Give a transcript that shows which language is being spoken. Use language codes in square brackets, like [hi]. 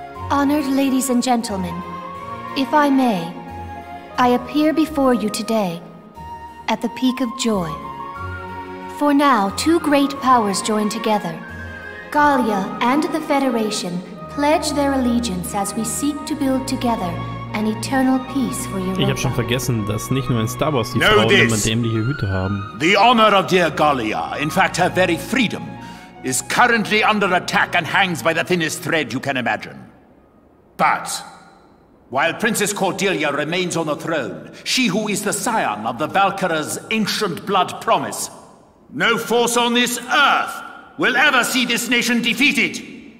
[en] Honored ladies and gentlemen, if I may, I appear before you today at the peak of joy. For now, two great powers join together. Gallia and the Federation pledge their allegiance as we seek to build together an eternal peace for Europa. [de] Ich habe schon vergessen, dass nicht nur in Star Wars die Frauen immer dämliche Hüte haben. [en] The honor of dear Gallia, in fact her very freedom, is currently under attack and hangs by the thinnest thread you can imagine. But while Princess Cordelia remains on the throne, she who is the scion of the Valkyra's ancient blood promise, no force on this earth will ever see this nation defeated!